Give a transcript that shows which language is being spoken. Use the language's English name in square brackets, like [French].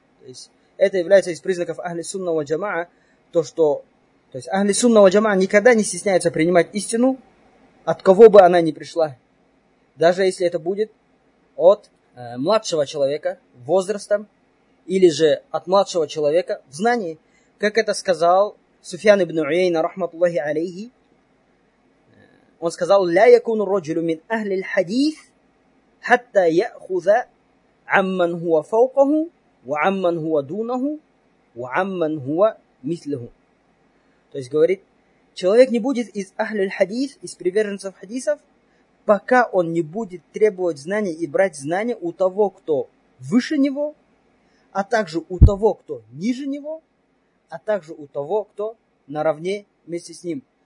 [Russian] То есть, это является из признаков Ахли Сунна ва Джамаа, то, что, то есть, Ахли Сунна ва Джамаа никогда не стесняется принимать истину, от кого бы она ни пришла. Даже если это будет от младшего человека возрастом, или же от младшего человека в знании. Как это сказал Суфьян ибн Уйейна, рахматуллахи алейхи, он сказал, [Arabic] لا يكون الرجل من أهل الحديث حتى يأخذ عمن هو فوقه وعمن هو دونه وعمن هو مثله. [Russian] То есть говорит, человек не будет из أهل الحديث, из приверженцев хадисов, пока он не будет требовать знания и брать знания у того, кто выше него, а также у того, кто ниже него, а также у того, кто наравне вместе с ним.